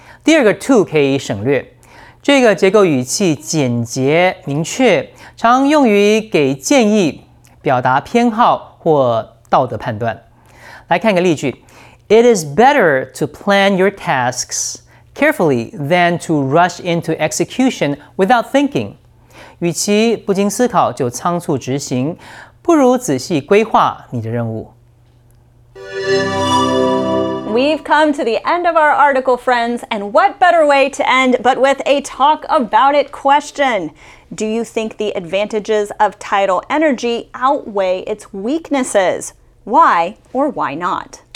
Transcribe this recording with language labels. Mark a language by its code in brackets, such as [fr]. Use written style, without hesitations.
[zh] 第二个 to 可以省略，这个结构语气简洁明确，常用于给建议、表达偏好或道德判断。来看个例句 [en] ：It is better to plan your tasks carefully than to rush into execution without thinking. [zh] 与其不经思考就仓促执行，不如仔细规划你的任务。 [en] We've come to the end of our article, friends, and what better way to end but with a talk about it question. Do you think the advantages of tidal energy outweigh its weaknesses? Why or why not?